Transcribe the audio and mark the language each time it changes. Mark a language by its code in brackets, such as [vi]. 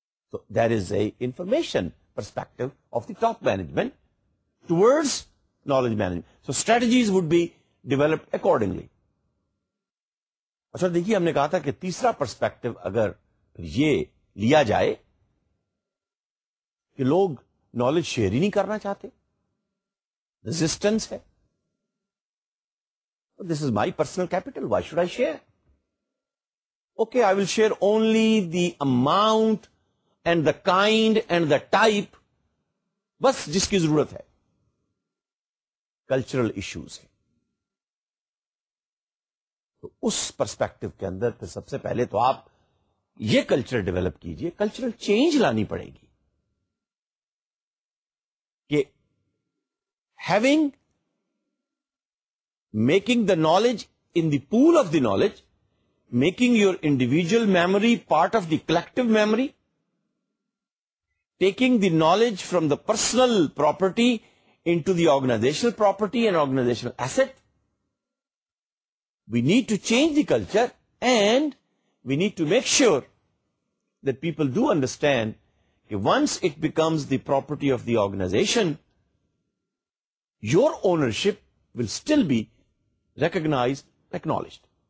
[en] So there is a information perspective of the top management towards knowledge management. So strategies would be developed accordingly. [ur] اچھا دیکھیے, ہم نے کہا تھا کہ تیسرا پرسپیکٹو اگر یہ لیا جائے کہ لوگ نالج شیئر ہی نہیں کرنا چاہتے, ریزسٹنس ہے, [en] This is my personal capital, why should I share? Okay, I will share only the amount and the kind and the type, [ur] بس جس کی ضرورت ہے. کلچرل ایشوز ہے تو اس پرسپیکٹو کے اندر پھر سب سے پہلے تو آپ یہ کلچر ڈیولپ کیجئے, کلچرل چینج لانی پڑے گی [en] کہ having making the knowledge in the pool of the knowledge, making your individual memory part of the collective memory, taking the knowledge from the personal property into the organisational property and organisational asset. We need to change the culture and we need to make sure that people do understand that once it becomes the property of the organization, your ownership will still be recognized, acknowledged.